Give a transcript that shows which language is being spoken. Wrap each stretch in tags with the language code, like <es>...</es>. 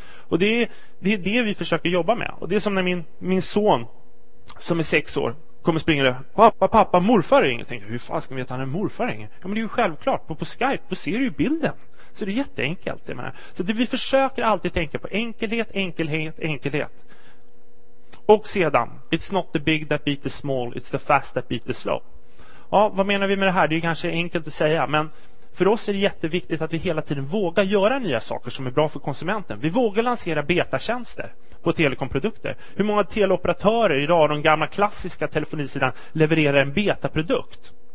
<sv>Och det är det vi försöker jobba med. Och det är som när min son som är 6 år kommer springa där, pappa, morfar ringer. Tänker, hur fan ska vi veta att han är morfar ringer? Ja, men det är ju självklart, på Skype, då ser du ju bilden. Så det är jätteenkelt, jag menar. Så det, vi försöker alltid tänka på enkelhet. Och sedan,</sv> <en>it's not the big that beat the small, it's the fast that beat the slow.</en> <sv>Ja, vad menar vi med det här? Det är kanske enkelt att säga, men för oss är det jätteviktigt att vi hela tiden vågar göra nya saker som är bra för konsumenten. Vi vågar lansera betatjänster på telekomprodukter. Hur många teleoperatörer idag, de gamla klassiska telefonisidan, levererar en betaprodukt?</sv>